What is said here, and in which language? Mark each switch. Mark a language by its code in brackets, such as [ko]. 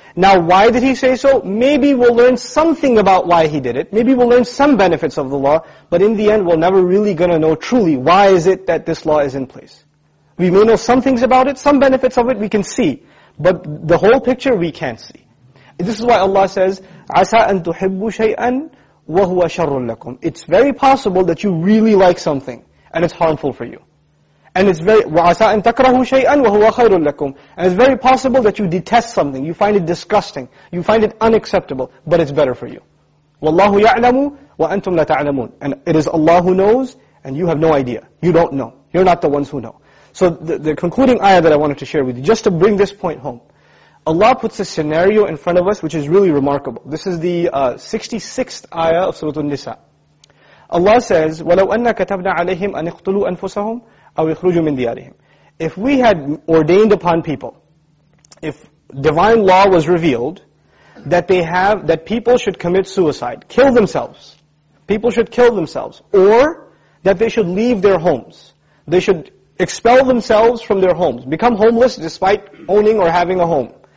[en] Now, why did he say so? Maybe we'll learn something about why he did it. Maybe we'll learn some benefits of the law. But in the end, we're never really going to know truly why is it that this law is in place. We may know some things about it, some benefits of it we can see. But the whole picture we can't see. This is why Allah says, [ar] عَسَىٰ أَن تُحِبُّ شَيْئًا وَهُوَ شَرٌ لَكُمْ. [en] It's very possible that you really like something and it's harmful for you. And it's very [ar] وَعَسَىٰ أَن تَكْرَهُ شَيْئًا وَهُوَ خَيْرٌ لَكُمْ. [en] And it's very possible that you detest something, you find it disgusting, you find it unacceptable, but it's better for you. [ar] وَاللَّهُ يَعْلَمُ وَأَنْتُمْ لَتَعْلَمُونَ. [en] And it is Allah who knows, and you have no idea. You don't know. You're not the ones who know. So the concluding ayah that I wanted to share with you, just to bring this point home. Allah puts a scenario in front of us which is really remarkable. This is the 66th ayah of Surah An-Nisa. Allah says, [ar] وَلَوْ أَنَّا كَتَبْنَا عَلَيْهِمْ أَنِ اقْتُلُوا أَنفُسَهُمْ أَوْ يَخْرُجُوا مِنْ دِيَارِهِمْ. [en] If we had ordained upon people, if divine law was revealed, that people should commit suicide, kill themselves. People should kill themselves. Or that they should leave their homes. They should expel themselves from their homes. Become homeless despite owning or having a home.